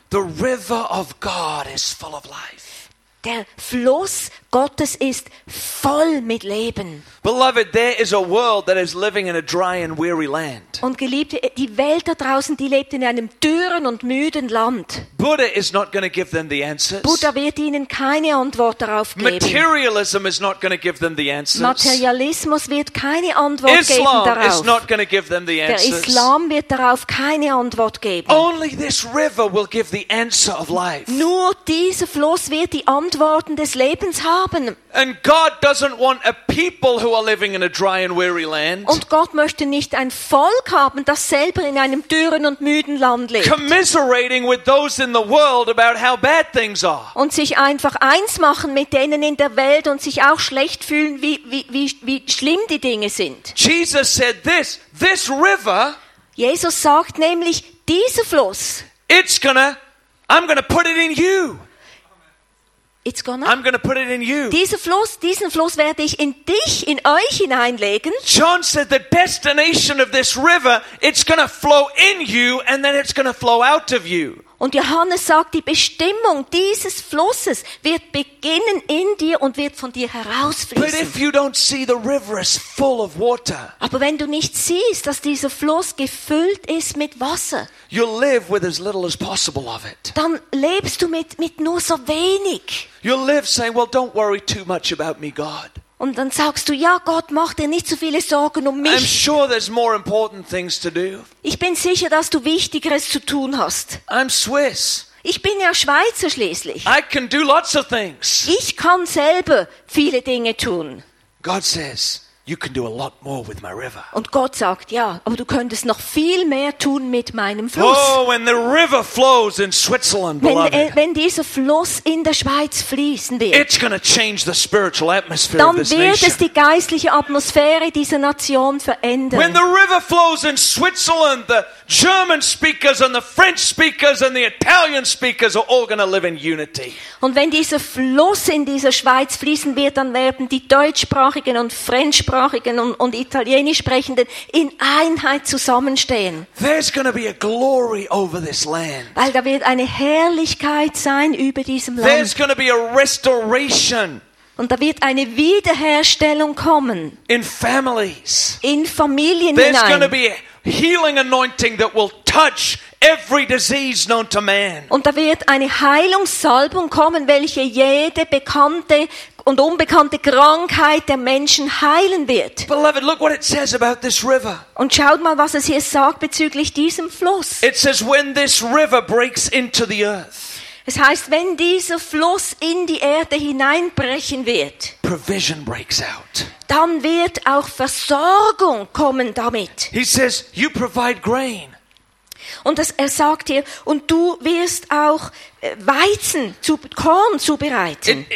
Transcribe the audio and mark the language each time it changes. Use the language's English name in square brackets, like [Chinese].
[English] The river of God is full of life. [German] Der Fluss Gottes ist voll mit Leben. [English] Beloved, there is a world that is living in a dry and weary land. [German] Und Geliebte, die Welt da draußen, die lebt in einem dürren und müden Land. [English] Buddha is not going to give them the answers. [German] Buddha wird ihnen keine Antwort darauf geben. [English] Materialism is not going to give them the answers. [German] Materialismus wird keine Antwort geben darauf. [English] Islam is not going to give them the answers. [German] Der Islam wird darauf keine Antwort geben. [English] Only this river will give the answer of life. [German] Nur dieser Fluss wird die Antworten des Lebens haben. [English] And God doesn't want a people who are living in a dry and weary land. [German] Und Gott möchte nicht ein Volk haben, das selber in einem dürren und müden Land lebt. [English] Commiserating with those in the world about how bad things are. [German] Und sich einfach eins machen mit denen in der Welt und sich auch schlecht fühlen, wie schlimm die Dinge sind. [English] Jesus said this river. [German] Jesus sagt nämlich dieser Fluss. [English] I'm gonna put it in you. It's gonna, I'm going to put it in you. [German] Diesen Fluss werde ich in dich, in euch hineinlegen. [English] John said the destination of this river, it's going to flow in you and then it's going to flow out of you. [German] Und Johannes sagt, die Bestimmung dieses Flusses wird beginnen in dir und wird von dir herausfließen. [English] But if you don't see the river is full of water. [German] Aber wenn du nicht siehst, dass dieser Fluss gefüllt ist mit Wasser. [English] You live with as little as possible of it. [German] Dann lebst du mit nur so wenig. [English] You live saying, well, don't worry too much about me, God. [German] Und dann sagst du, ja Gott, mach dir nicht so viele Sorgen um mich. [English] I'm sure there's more important things to do. [German] Ich bin sicher, dass du Wichtigeres zu tun hast. [English] I'm Swiss. [German] Ich bin ja Schweizer schließlich. [English] I can do lots of things. [German] Ich kann selber viele Dinge tun. [English] God says, you can do a lot more with my river. [German] Und Gott sagt, ja, aber du könntest noch viel mehr tun mit meinem Fluss. [English] Oh, when the river flows in Switzerland, [German] wenn dieser Fluss in der Schweiz fließen wird, [English] it's gonna change the spiritual atmosphere [German] dann [English] of this [German] wird [English] nation. [German] Es die geistliche Atmosphäre dieser Nation verändern. [English] When the river flows in Switzerland, the German speakers and the French speakers and the Italian speakers are all going to live in unity. [German] Und wenn dieser Fluss in dieser Schweiz fließen wird, dann werden die deutschsprachigen und Französischsprachigen und italienisch sprechenden in Einheit zusammenstehen. [English] There's going to be a glory over this land. [German] Weil da wird eine Herrlichkeit sein über diesem Land. [English] There's going to be a restoration. [German] Und da wird eine Wiederherstellung kommen. [English] In families. [German] In Familien hinein. [English] There's going to be healing anointing that will touch every disease known to man. [German] Und da wird eine Heilungssalbung kommen, welche jede bekannte und unbekannte Krankheit der Menschen heilen wird. [English] Beloved, look what it says about this river. [German] Und schaut mal, was es hier sagt bezüglich diesem Fluss. [English] It says when this river breaks into the earth. [German] Es heißt, wenn dieser Fluss in die Erde hineinbrechen wird, [English] provision breaks out. [German] Dann wird auch Versorgung kommen damit. [English] He says, you provide grain. [German] Und er sagt hier, und du wirst auch Weizen, Korn zubereiten.